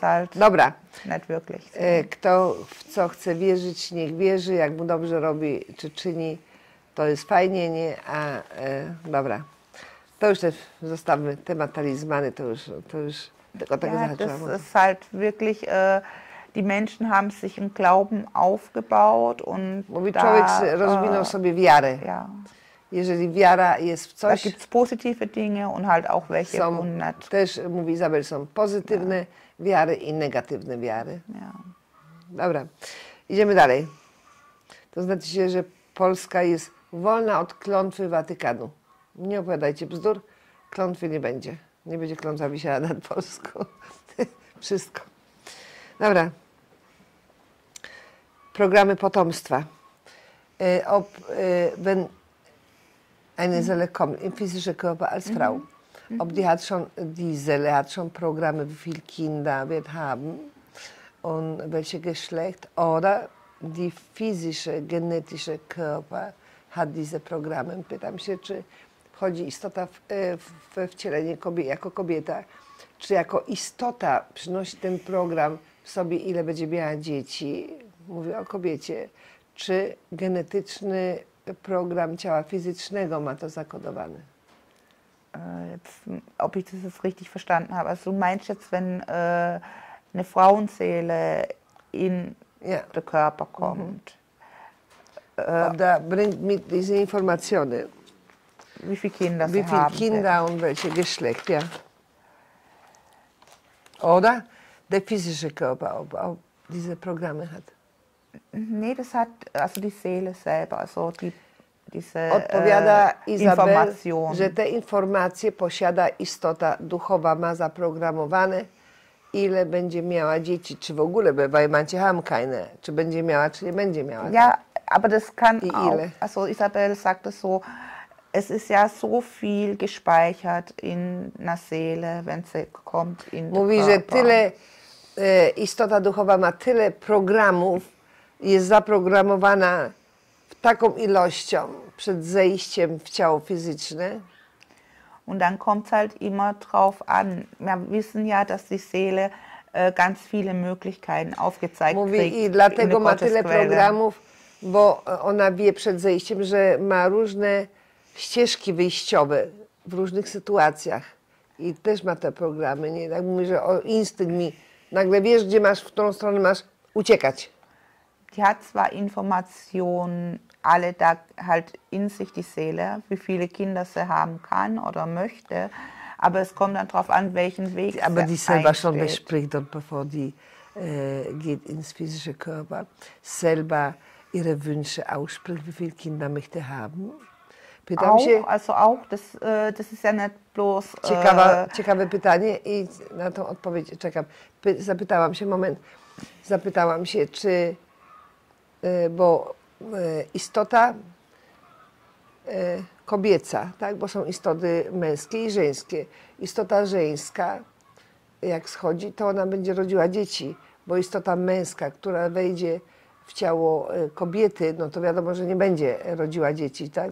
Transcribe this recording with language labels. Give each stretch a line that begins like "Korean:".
German: halt.
Polish: Dobra.
German: Nicht wirklich.
Polish: Kto w co chce wierzyć, niech wierzy, jak mu dobrze robi czy czyni, to jest fajnie, nie? A dobra. To już też zostawmy temat talizmany, to już tylko tego ja, zahaczyłam.
German: Das ist halt wirklich. Die Menschen haben sich im Glauben aufgebaut und
Polish: mówi, człowiek rozwinął sobie wiarę.
German: Ja.
Polish: Jeżeli wiara jest w coś.
German: Da gibt's positive Dinge und halt auch welche
Polish: są, und też mówi Isabel, są pozytywne wiary i negatywne wiary.
German: Ja.
Polish: Dobra. Idziemy dalej. To znaczy się, że Polska jest wolna od klątwy Watykanu. Nie opowiadajcie bzdur. Klątwy nie będzie. Nie będzie klątwa wisiała nad Polską. Wszystko. Dobra. Programy potomstwa.
German: Wenn eine Seele kommt, im physischen Körper als Frau, ob die hat schon die Seele, hat schon Programme, wie viele Kinder wird haben und welches Geschlecht, oder die physische, genetische Körper hat diese Programme.
Polish: Pytam się, czy wchodzi istota we wcielenie jako kobieta, czy jako istota przynosi ten program w sobie, ile będzie miała dzieci, mówię o kobiecie, czy genetyczny program ciała fizycznego ma to zakodowane?
German: Jetzt, ob ich das jetzt richtig verstanden habe. Also du meinst jetzt, wenn eine Frauenseele in den Körper kommt. Ob da bringt mit diese Informationen. Wie viele Kinder sie haben. Wie viele Kinder und welche Geschlecht, ja. Oder der physische Körper, ob diese Programme hat. Nee, das hat also die Seele selber, also die
Polish: Odpowiada Izabel, że te informacje posiada istota duchowa, ma zaprogramowane, ile będzie miała dzieci, czy w ogóle bywa, macie hamkajne, czy będzie miała, czy nie będzie miała.
German: Ja, aber das kann I auch.
Polish: Ile?
German: Also Izabel sagt es so, es ist ja so viel gespeichert in na Seele, wenn sie kommt in
Polish: Mówi, że tyle, istota duchowa ma tyle programów, jest zaprogramowana taką ilością przed zejściem w ciało fizyczne.
German: Und dann kommt's halt immer drauf an. Wir wissen ja, dass die Seele ganz viele Möglichkeiten aufgezeigt
Polish: Mówi,
German: kriegt.
Polish: I dlatego ma tyle programów, bo ona wie przed zejściem, że ma różne ścieżki wyjściowe w różnych sytuacjach. I też ma te programy. Nie tak mówię, że o instynkt mi. Nagle wiesz, gdzie masz, w którą stronę masz uciekać.
German: Die hat zwar Informationen alle da halt in sich die Seele, wie viele Kinder sie haben kann oder möchte, aber es kommt dann darauf an, welchen Weg sie Aber die selber schon bespricht und bevor die geht ins physische Körper, selber ihre Wünsche ausspricht, wie viele Kinder möchte haben.
Polish: Pytam
German: auch, się, also auch, das, das ist ja nicht bloß...
Polish: Ciekawe, ciekawe pytanie i na tą odpowiedź czekam. Zapytałam się, moment, zapytałam się, czy... Bo istota kobieca, tak? Bo są istoty męskie i żeńskie. Istota żeńska, jak schodzi, to ona będzie rodziła dzieci, bo istota męska, która wejdzie w ciało kobiety, no to wiadomo, że nie będzie rodziła dzieci, tak?